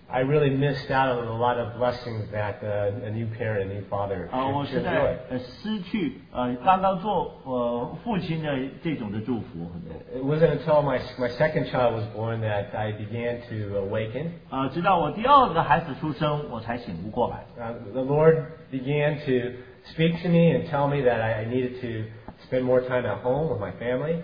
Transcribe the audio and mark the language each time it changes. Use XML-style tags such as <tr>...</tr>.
<en>I really missed out on a lot of blessings that a new parent, a new father should enjoy.</en> <zh>我实在失去刚刚做父亲的这种的祝福。</zh> <en>It wasn't until my second child was born that I began to awaken.</en> <zh>直到我第二个孩子出生，我才醒悟过来。</zh> <en>The Lord began to speak to me and tell me that I needed to spend more time at home with my family.</en>